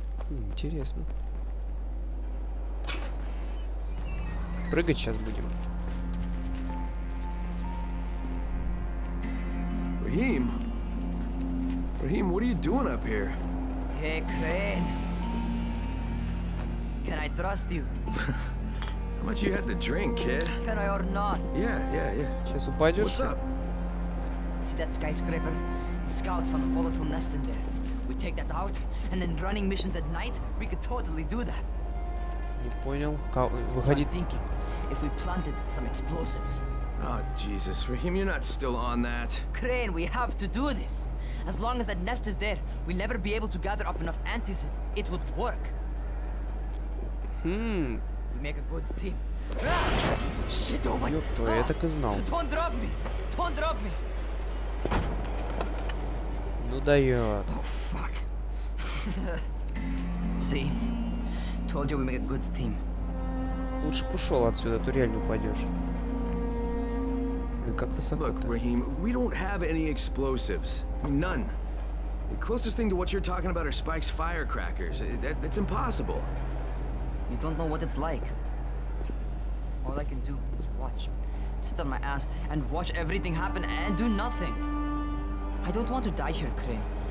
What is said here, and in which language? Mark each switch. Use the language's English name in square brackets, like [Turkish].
[Russian] Интересно. Прыгать сейчас будем. Рахим? Рахим, что ты делаешь тут? Эй, Крейн. [English] Can I trust you? How much you had to drink, kid? Can I or not? Yeah. What's up? See that skyscraper? Scout found a volatile nest in there. We take that out, and then running missions at night, we could totally do that. [Russian] Не понял. Как? [English] So I'm thinking, if we planted some explosives. Oh Jesus, Rahim, you're not still on that. Crane, we have to do this. As long as that nest is there, we'll never be able to gather up enough antis. It would work. Make a good team. Shit, oh my god. [Russian] Я так и знал. [English] Don't drop me! Don't drop me! [Russian] Ну даёт. [English] Oh fuck. See? Told you we make a good team. [Russian] Лучше б ушёл отсюда, а то реально упадёшь. как высоко. [English] Look, Raheem, we don't have any explosives. I mean, none. The closest thing to what you're talking about are Spike's firecrackers. That's impossible. You don't know what it's like. All I can do is watch. Sit on my ass and watch everything happen and do nothing. I don't want to die here, Crane.